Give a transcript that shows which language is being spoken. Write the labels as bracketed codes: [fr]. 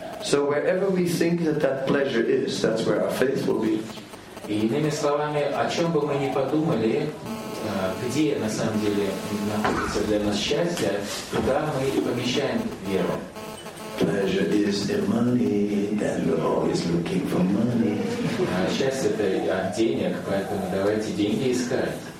[en] So wherever we think that pleasure is, that's where our faith will be. [ru] Иными словами, о чем бы мы ни подумали, где на самом деле находится для нас счастье, туда мы и помещаем веру. [en] Pleasure is the money, that we're always looking for money. [ru] Счастье – это денег, поэтому давайте деньги искать.